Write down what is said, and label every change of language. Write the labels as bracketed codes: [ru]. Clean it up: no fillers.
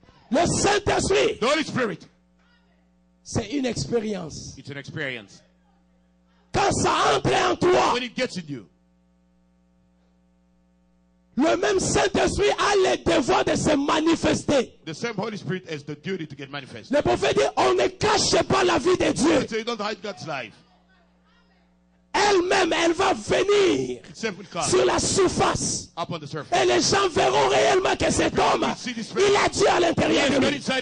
[fr] Le Saint-Esprit. [en] The Holy Spirit. [fr] C'est une expérience. [en] It's an experience. [fr] Quand ça entre en toi. [en] When it gets in you. [fr] Le même Saint-Esprit a le devoir de se manifester. [en] The same Holy Spirit has the duty to get manifest. [fr] Le prophète dit, on ne cache pas la vie de Dieu. [en] So you don't hide God's life. [fr] Elle-même, elle va venir sur la surface. [en] Up on the surface. [fr] Et les gens verront réellement que cet homme, il a Dieu à l'intérieur de lui.